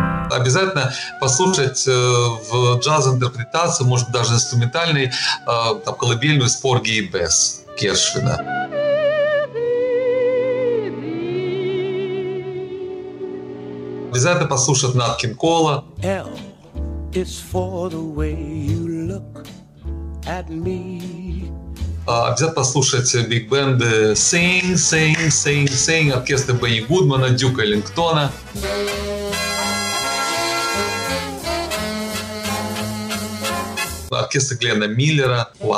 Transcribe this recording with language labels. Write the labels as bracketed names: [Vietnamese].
[Russian] Обязательно послушать в джаз-интерпретации, может, даже инструментальной, там, колыбельную с Порги и Бесс Гершвина. Обязательно послушать Нат Кинг Кола. [English] L is for the way you look at me. [Russian] Обязательно послушать биг-бенды Sing, Sing, Sing, Sing, оркестры Бенни Гудмана, Дюка Эллингтона. Оркестр Гленна Миллера.